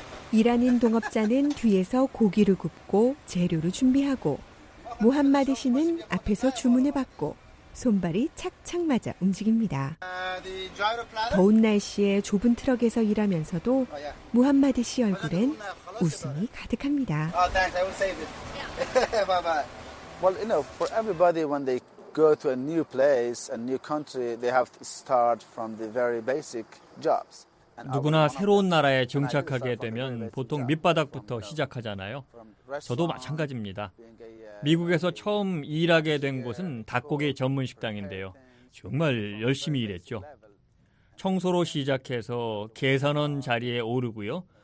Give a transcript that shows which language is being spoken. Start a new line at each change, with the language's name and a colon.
Korean: 이란인 동업자는 뒤에서 고기를 굽고 재료를 준비하고 무함마드 씨는 앞에서 주문을 받고 손발이 착착 맞아 움직입니다. 더운 날씨에 좁은 트럭에서 일하면서도 무함마드 씨 얼굴엔 웃음이 가득합니다.
English: Well, you know, for everybody when they go to a new place, a new country, they have to start from the very basic jobs.
Korean: 누구나 새로운 나라에 정착하게 되면 보통 밑바닥부터 시작하잖아요. 저도 마찬가지입니다. 미국에서 처음 일하게 된 곳은 닭고기 전문 식당인데요. 정말 열심히 일했죠. 청소로 시작해서 계산원 자리에 오르고요.